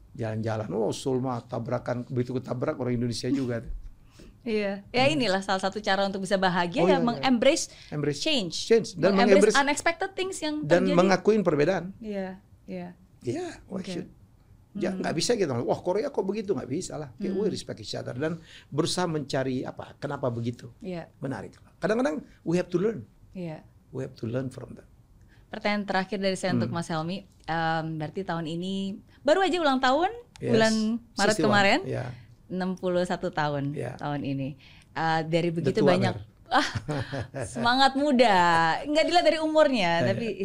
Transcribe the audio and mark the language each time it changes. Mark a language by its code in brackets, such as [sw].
[id] Jalan-jalan, oh Seoul mah tabrakan, begitu ketabrak orang Indonesia juga. Iya, ya inilah salah satu cara untuk bisa bahagia, oh, ya, meng-embrace change. [en] Change. [id] Dan meng-embrace unexpected things yang terjadi. Dan mengakuin perbedaan. Iya, yeah. Iya. Yeah. Yeah, why should? Ya, gak bisa kita gitu. Wah Korea kok begitu, gak bisa lah. [en] Kayak we respect each other. [id] Dan berusaha mencari apa, kenapa begitu. Iya. Menarik. [en] Kadang-kadang we have to learn. [id] Iya. [en] We have to learn from that. [id] Pertanyaan terakhir dari saya untuk Mas Helmy. Berarti tahun ini, baru aja ulang tahun, yes. Bulan Maret 61. Kemarin. Iya. 61 tahun, [en] yeah. [id] Tahun ini. Dari begitu banyak semangat muda. Enggak dilihat dari umurnya, yeah, tapi yeah.